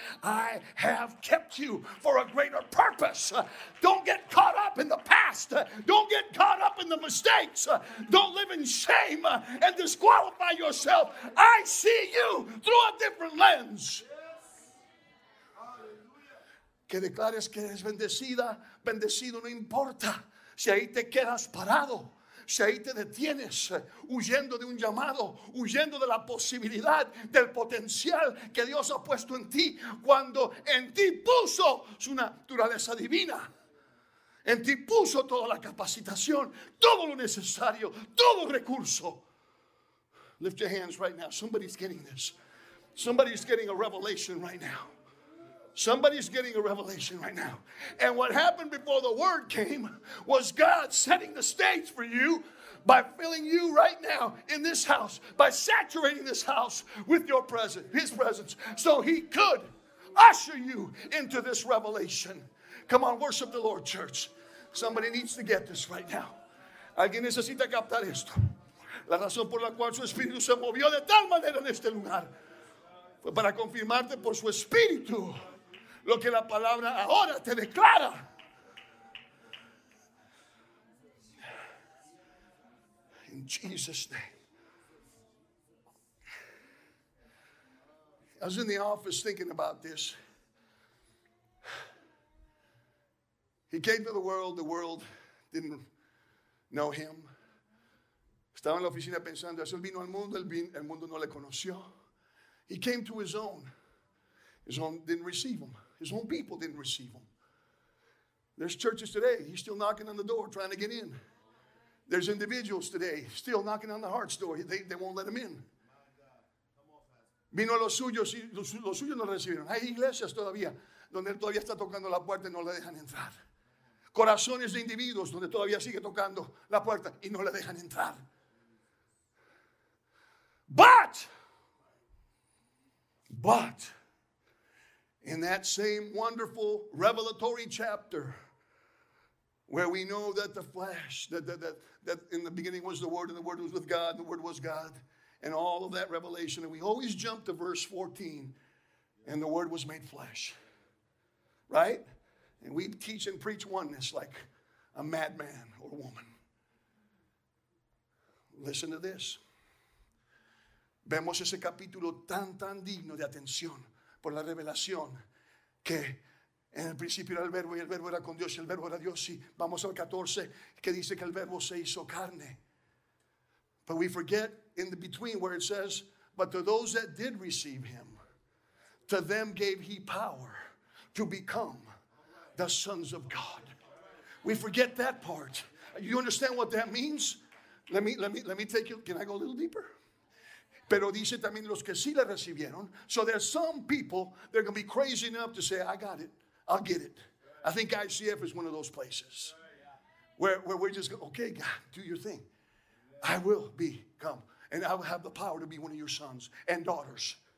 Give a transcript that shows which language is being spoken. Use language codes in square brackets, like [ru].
[en] I have kept you for a greater purpose. Don't get caught up in the past. Don't get caught up in the mistakes. Don't live in shame and disqualify yourself. I see you through a different lens. [es] Que declares que eres bendecida, bendecido no importa si ahí te quedas parado. Si ahí te detienes huyendo de un llamado, huyendo de la posibilidad, del potencial que Dios ha puesto en ti, cuando en ti puso su naturaleza divina, en ti puso toda la capacitación, todo lo necesario, todo recurso. [en] Lift your hands right now. Somebody's getting this. Somebody's getting a revelation right now. Somebody's getting a revelation right now. And what happened before the word came was God setting the stage for you by filling you right now in this house, by saturating this house with your presence, his presence, so he could usher you into this revelation. Come on, worship the Lord, church. Somebody needs to get this right now. [es] Alguien necesita captar esto. La razón por la cual su espíritu se movió de tal manera en este lugar fue para confirmarte por su espíritu lo que la palabra ahora te declara. [en] In Jesus' name. I was in the office thinking about this. He came to the world didn't know him. [es] Estaba en la oficina pensando, él vino al mundo, el mundo no le conoció. [en] He came to his own. His own didn't receive him. His own people didn't receive him. There's churches today, he's still knocking on the door trying to get in. There's individuals today still knocking on the heart's door. They won't let him in. [es] Vino los suyos no recibieron. Hay iglesias todavía donde él todavía está tocando la puerta y no le dejan entrar. Corazones de individuos donde todavía sigue tocando la puerta y no le dejan entrar. [en] But, in that same wonderful revelatory chapter where we know that the flesh, that in the beginning was the Word, and the Word was with God, and the Word was God, and all of that revelation, and we always jump to verse 14, and the Word was made flesh, right? And we teach and preach oneness like a madman or woman. Listen to this. [es] Vemos ese capítulo tan digno de atención por la revelación, que en el principio era el verbo, y el verbo era con Dios, y el verbo era Dios. Y vamos al 14, que dice que el verbo se hizo carne. [en] But we forget in the between where it says, but to those that did receive him, to them gave he power to become the sons of God. We forget that part. You understand what that means? Let me take you, can I go a little deeper? [es] Pero dice también los que sí le recibieron. [en] So there's some people, they're going to be crazy enough to say, I got it. I'll get it. I think ICF is one of those places where we're just going, okay, God, do your thing. I will become, and I will have the power to be one of your sons and daughters.